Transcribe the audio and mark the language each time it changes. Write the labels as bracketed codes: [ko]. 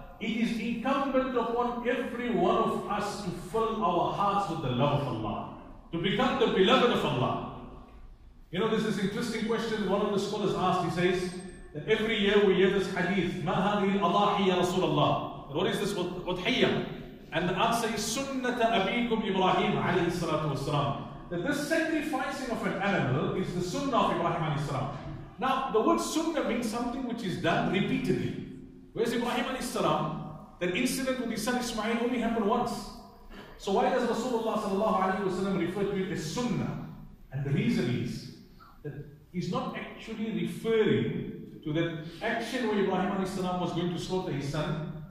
[en] It is incumbent upon every one of us to fill our hearts with the love of Allah. To become the beloved of Allah. You know, this is an interesting question one of the scholars asked. He says, that every year we hear this hadith, [ar] مَا هَذِهِ الْأَضَاحِي يَا رَسُولَ اللَّهِ. [en] What is this udhiyah? And the answer is [ar] سُنَّةَ أَبِيكُمْ إِبْرَاهِيمُ عَلَيْهِ الصَّلَاةُ وَالسَّلَامُ. [en] That this sacrificing of an animal is the sunnah of Ibrahim alayhi salam. Now, the word sunnah means something which is done repeatedly. Whereas Ibrahim alayhi salam, that incident with his son Ismail only happened once. So why does Rasulullah sallallahu alayhi wasallam refer to it as sunnah? And the reason is that he's not actually referring to that action where Ibrahim alayhi salam was going to slaughter his son.